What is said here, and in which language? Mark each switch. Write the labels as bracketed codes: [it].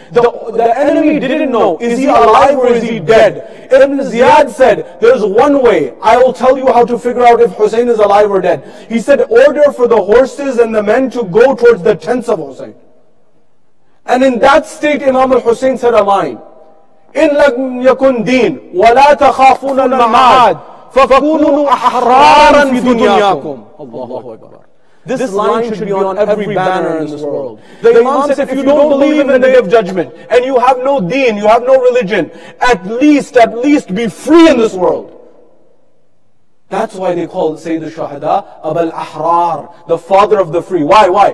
[en] The enemy didn't know, is he alive or is he dead? Ibn Ziyad said, there's one way. I will tell you how to figure out if Hussein is alive or dead. He said, order for the horses and the men to go towards the tents of Hussein. And in that state, Imam Al-Hussein said a line. [ar] إن لم يكن دين ولا تخافون المعاد فكونوا أحرارا في دنياكم. الله أكبر. [en] This line should be on every banner in this world. The Imam said, if you don't believe in the day of judgment, and you have no deen, you have no religion, at least be free in this world. That's why they call Sayyidul Shuhada Abu al-Ahrar, the father of the free. Why?